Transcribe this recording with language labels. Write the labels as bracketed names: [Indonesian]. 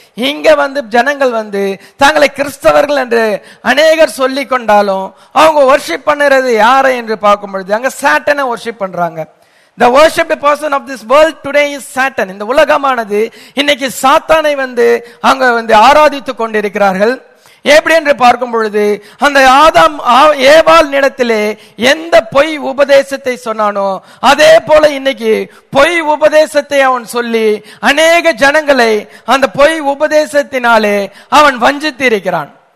[Tamil] இங்க வந்து ஜனங்கள் வந்து தங்களை கிறிஸ்தவர்கள் என்று அநேகர் சொல்லிக் கொண்டாலும் அவங்க வர்ஷிப் பண்ணுறது யாரை என்று பார்க்கும் பொழுது அங்க சாட்டனை வர்ஷிப் பண்றாங்க. [English] The worshipped person of this world today is Satan. [Tamil] இந்த உலகமானது இன்னைக்கு சாத்தானை வந்து அங்க வந்து ஆராதித்துக் கொண்டிருக்கிறார்கள். எப்படி என்று பார்க்கும் பொழுது அந்த ஆதாம் ஏவாள் நிலத்திலே எந்த பொய் உபதேசத்தை சொன்னானோ அதே போல இன்னைக்கு பொய் உபதேசத்தை அவன் சொல்லி அநேக ஜனங்களை அந்த பொய் உபதேசத்தினாலே அவன் வஞ்சித்து இருக்கிறான்.